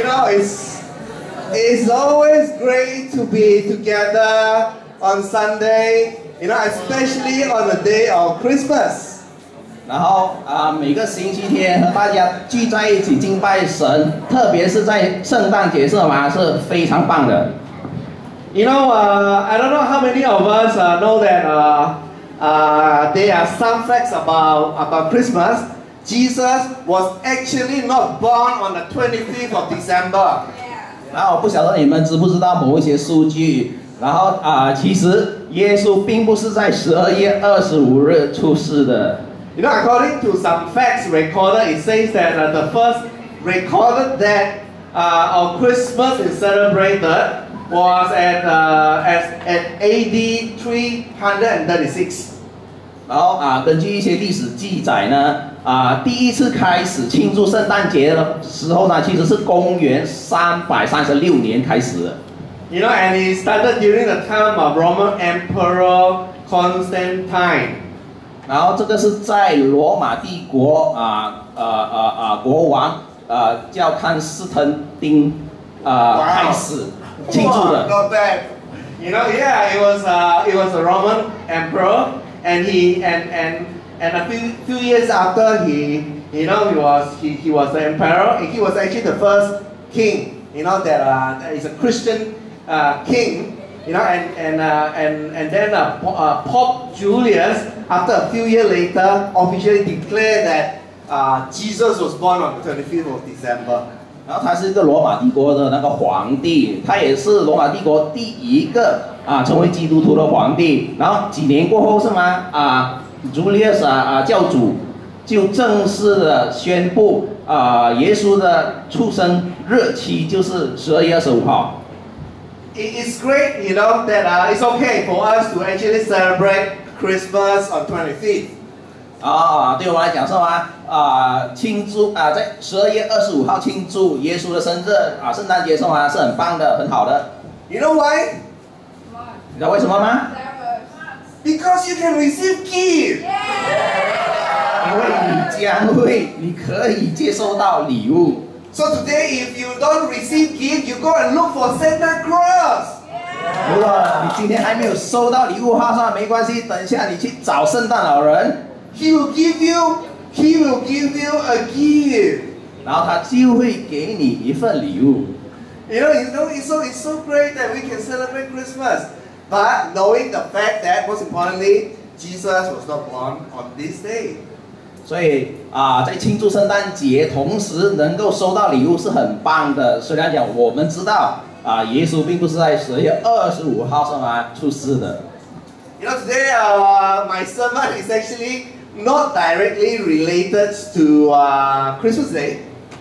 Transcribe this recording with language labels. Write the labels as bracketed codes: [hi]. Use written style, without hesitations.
[en] You know, it's always great to be together on Sunday. You know, especially on the day of Christmas. [zh] 然后每个星期天和大家聚在一起敬拜神，特别是在圣诞节是吗？是非常棒的。 [en] You know, I don't know how many of us know that there are some facts about Christmas. Jesus was actually not born on the 25th of December. [zh] 然后不晓得你们知不知道某一些数据。然后其实耶稣并不是在12月25日出世的。 [en] You know, according to some facts recorded, it says that the first recorded that of Christmas is celebrated was at A.D. 336. [zh] 然后根据一些历史记载呢，第一次开始庆祝圣诞节的时候呢，其实是公元336年开始的。 [en] You know, and it started during the time of Roman Emperor Constantine. [zh] 然后这个是在罗马帝国国王叫康斯坦丁开始庆祝的。 [en] Not bad. You know, yeah, it was a Roman Emperor, and he and a few years after he was the emperor, and he was actually the first king. You know that is a Christian. King, you know, and then Pope Julius, after a few years later, officially declared that Jesus was born on the 25th of December. [zh] 然后他是一个罗马帝国的那个皇帝，他也是罗马帝国第一个成为基督徒的皇帝。然后几年过后是吗？Julius 教主就正式的宣布耶稣的出生日期就是12月25号。 [en] It's great, you know, that it's okay for us to actually celebrate Christmas on 25th. [zh] 对我来讲是吗？庆祝在12月25号庆祝耶稣的生日圣诞节是吗？是很棒的，很好的。 [en] You know why? [zh] 你知道为什么吗？ [en] Because you can receive gifts. Yeah! [zh] 因为你可以接收到礼物。 [en] So today, if you don't receive gift, you go and look for Santa Claus. Yeah. [zh] 如果你今天还没有收到礼物的话，算没关系。等一下你去找圣诞老人。 [en] He will give you a gift. [zh] 然后他就会给你一份礼物。 [en] You know, it's so great that we can celebrate Christmas. But knowing the fact that, most importantly, Jesus was not born on this day. [zh] 所以在庆祝圣诞节同时能够收到礼物是很棒的。虽然讲我们知道耶稣并不是在12月25号上出世的。 [en] You know, today my sermon is actually not directly related to Christmas Day.